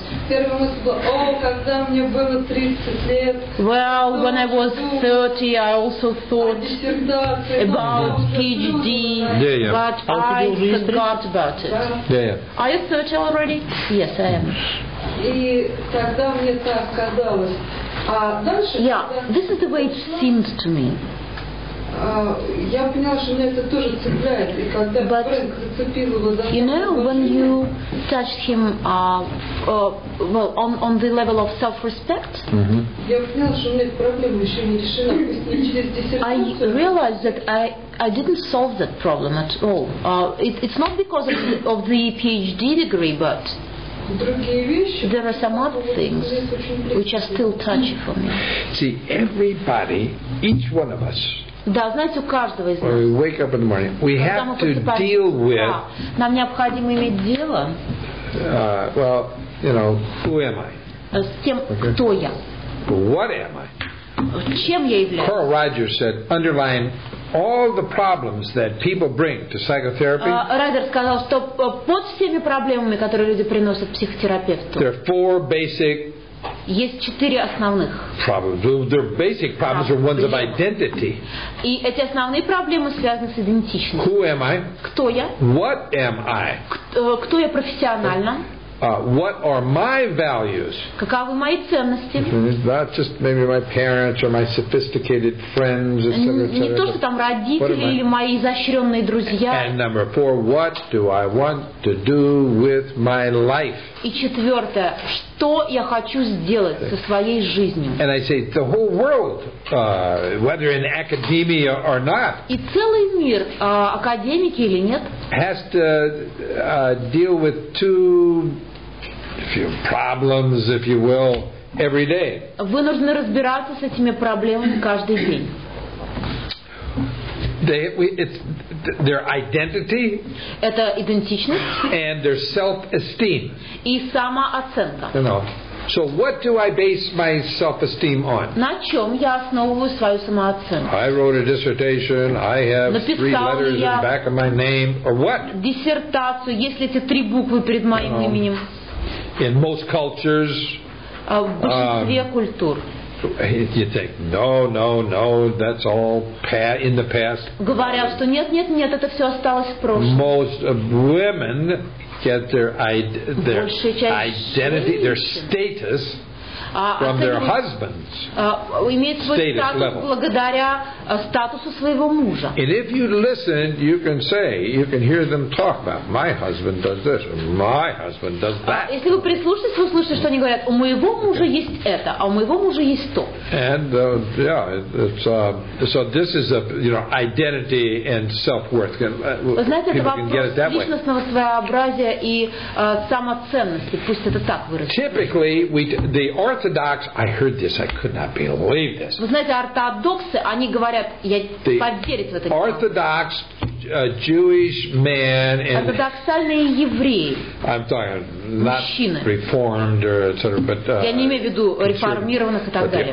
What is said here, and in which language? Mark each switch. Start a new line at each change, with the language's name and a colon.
Russian: Первый раз было, о, когда мне было 30 лет.
English: Well, when I was 30, I also thought about PhD, but I forgot about it. Yeah. Are you 30 already? Yes, I am. Yeah, this is the way it seems to me.
Russian: Я поняла, что меня это тоже цепляет, и когда
English: But,
Russian: Фрэнк зацепил его за
English: you know, when you touched him, well, on the level of self-respect,
Russian: я поняла, что у меня эта проблема еще не решена, и через диссертацию.
English: I realized that I didn't solve that problem at all. It's not because of the PhD degree, but there are some other things which are still touchy for me. See, everybody, each one of us.
Russian: Да, знаете, у каждого из нас.
English: We wake up in the morning. We have to deal with.
Russian: Нам необходимо иметь дело.
English: Well, you know, who am I?
Russian: С тем, кто я.
English: What am I?
Russian: Чем я являюсь?
English: Carl Rogers said, underline all the problems that people bring to psychotherapy.
Russian: Райдер сказал, что под всеми проблемами, которые люди приносят психотерапевту.
English: There are four basic.
Russian: Есть четыре основных.
English: Their basic problems are ones of identity.
Russian: И эти основные проблемы связаны с идентичностью.
English: Who am I?
Russian: Кто я?
English: What am I?
Russian: Кто я профессионально?
English: What are my values?
Russian: Каковы мои ценности?
English: Not just maybe my parents or my sophisticated friends, etc.
Russian: Не то, что там родители или мои изощренные друзья.
English: And number four, what do I want to do with my life?
Russian: И четвертое, что я хочу сделать со своей жизнью?
English: And I say the whole world, whether in academia or not.
Russian: И целый мир, академики или нет?
English: Has to deal with two. Few problems, if you will, every day.
Russian: Вы должны разбираться с этими проблемами каждый день.
English: It's their identity.
Russian: Это идентичность.
English: And their self-esteem.
Russian: И самооценка.
English: You know. So what do I base my self-esteem on?
Russian: На чем я основываю свою самооценку?
English: I wrote a dissertation. I have three letters in the back of my name, or what?
Russian: Диссертацию. Есть ли эти три буквы перед моим именем?
English: In most cultures, you think, no, that's all in the past.
Russian: Говорят, что нет, это все осталось в прошлом.
English: Most women get their identity, their status from their husbands.
Russian: Имеет свой статус благодаря статусу своего мужа.
English: And if you listen, you can say, you can hear them talk about my husband does this, my husband does that.
Russian: Если вы прислушаетесь, вы услышите, что они говорят: у моего мужа есть это, а у моего мужа есть то.
English: And so this is a identity and self-worth.
Russian: Знаете, это вопрос личностного своеобразия и самоценности. Пусть это так выразится.
English: Typically, the Orthodox, I heard this, I could not believe this.
Russian: Вы знаете, ортодоксы, они говорят, я поверить в это.
English: Orthodox Jewish man and
Russian: ортодоксальные евреи.
English: I'm talking not
Russian: мужчины.
English: Reformed or etc. But
Russian: я не имею в виду реформированных и так далее.